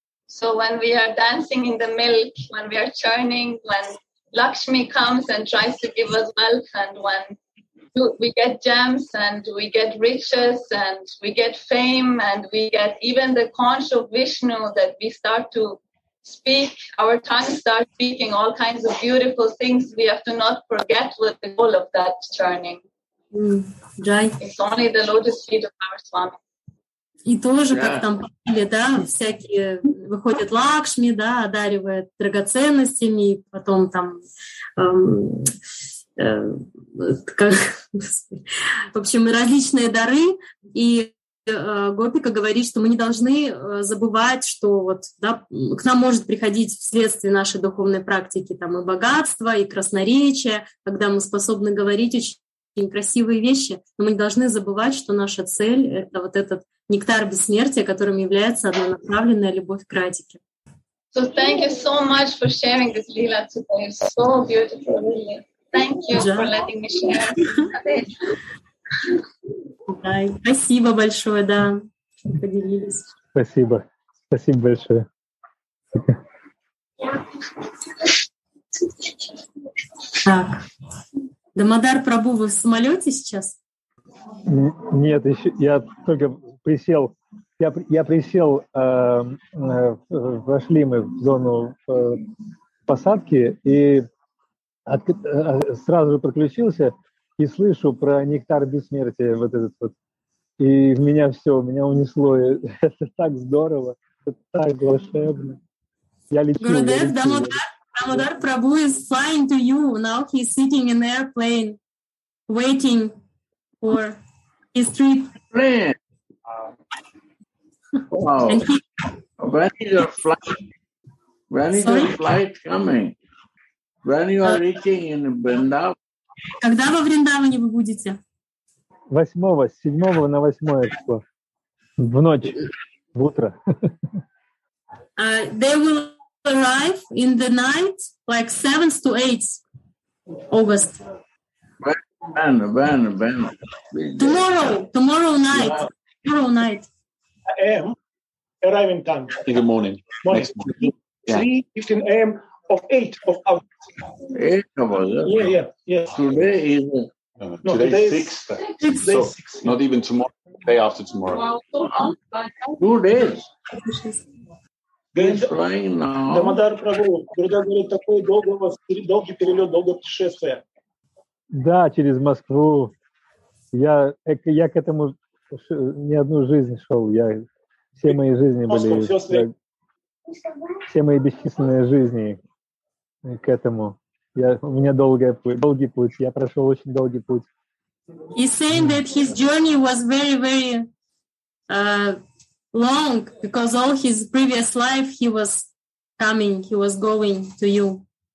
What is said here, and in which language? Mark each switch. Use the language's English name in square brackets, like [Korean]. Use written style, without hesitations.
[English] So when we are dancing in the milk, when we are churning, when Lakshmi comes and tries to give us wealth, and when we get gems and we get riches and we get fame and we get even the conch of Vishnu, that we start to speak, our tongue starts speaking all kinds of beautiful things. We have to not forget what the goal of that churning. Jai. It's only the lotus feet of our Swami. [Russian] И тоже, [English] yeah. [Russian] Как там пахли, да, всякие выходят Лакшми, да, одаривает драгоценностями, и потом там, как, в общем, различные дары и Гопика говорит, что мы не должны забывать, что вот, да, к нам может приходить вследствие нашей духовной практики там и богатство, и красноречие, когда мы способны говорить очень красивые вещи, но мы не должны забывать, что наша цель — это вот этот нектар бессмертия, которым является однонаправленная любовь к Радике. [English] So thank you so much for sharing this lila today. It's so beautiful. Thank you for letting me share. [Russian] Спасибо большое, да. Поделились. Спасибо. Спасибо большое. Так. Дамодар Прабу, вы в самолете сейчас? Нет, еще, я только присел. Я присел вошли мы в зону посадки и сразу же подключился и слышу про нектар бессмертия, вот этот вот. И меня все, меня унесло. Это так здорово, это так волшебно. Я лечу. [English] Gurudev Damodar Prabhu is flying to you. Now he's sitting in the airplane, waiting for his trip. Friend. Wow. When is your flight? When is your flight coming? When you are reaching in Vrindavan? [Russian] Когда во Вриндаване вы будете? 8-го, с 7-го на 8-е число. В ночь, в утро. [English] They will arrive in the night, like 7th to 8th August. When? Tomorrow night. Tomorrow night. A.M. arriving time. In the morning. Morning. 3:15 a.m. of 8th of August. 8th of August. Yeah, yeah, yeah. Today is... No, today is 6th. Not even tomorrow, the day after tomorrow. Well, 2 days. He's flying now. [Russian] Дамодар Прабху, Гурудев говорит, такой долгий перелет, долгое путешествие. Да, через Москву. Я к этому не одну жизнь шел. Я все мои жизни были. Все мои бесчисленные жизни к этому. У меня долгий путь. Я прошел очень долгий путь. [English] He's saying that his journey was very, very long because all his previous life he was coming, he was going to you.